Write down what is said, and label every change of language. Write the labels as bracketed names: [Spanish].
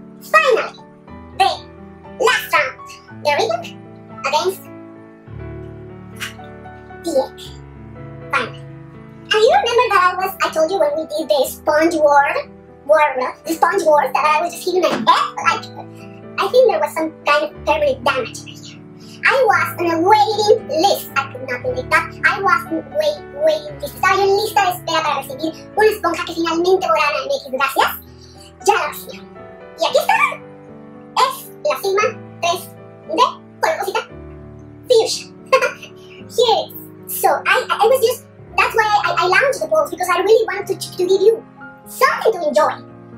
[English] Finally, the last round, the rhythm against the egg. Finally. And you remember that I told you when we did the sponge war, the sponge war, that I was just hitting my head, like, I think there was some kind of permanent damage right here. I was on a waiting list. I could not believe that. I was waiting list. [Spanish] Estaba yo en lista de espera para recibir una esponja que finalmente volara en X. Gracias. Ya la recibió. Y aquí está. Es la firma 3D con la cosita Fuchsia. [English] Here it is. So I was just, that's why I launched the polls, because I really want to give you something to enjoy.